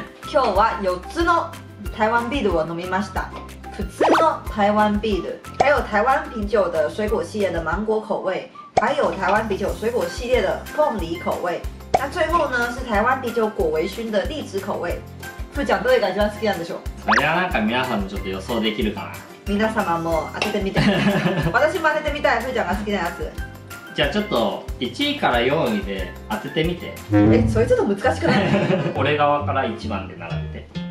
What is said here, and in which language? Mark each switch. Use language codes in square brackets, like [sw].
[ja] 今日は4つの台湾ビールを飲みました。普通の台湾ビール、 [zh] 还有台湾啤酒的水果系列的芒果口味、还有台湾啤酒水果系列的凤梨口味。那最后呢是台湾啤酒果微醺的荔枝口味。 [ja] ふーちゃんどれが一番好きなんでしょう。それはなんか皆さんもちょっと予想できるかな。皆様も当ててみて。私も当ててみたい。ふーちゃんが好きなやつ。じゃあちょっと1位から4位で当ててみて。え、それちょっと難しくない。俺側から1番で並べて。